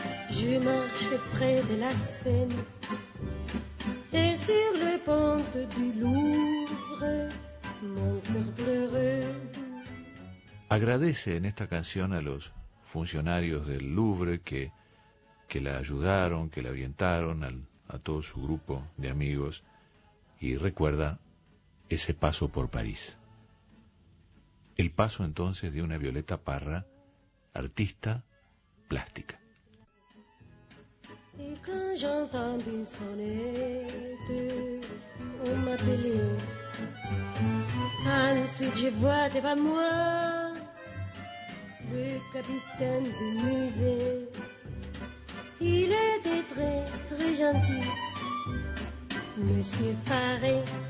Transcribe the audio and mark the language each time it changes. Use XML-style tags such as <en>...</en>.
<fr>Je marche près de la Seine. Et sur les pentes du Louvre, mon cœur pleure.</fr> <es>Agradece en esta canción a los funcionarios del Louvre que la ayudaron, que la orientaron a todo su grupo de amigos, y recuerda ese paso por París. El paso entonces de una Violeta Parra, artista plástica.</es> <fr>Et quand j'entends une sonnette, on m'appelle. Ensuite je vois devant moi le capitaine du musée. Il était très, très gentil, Monsieur Faré.</fr>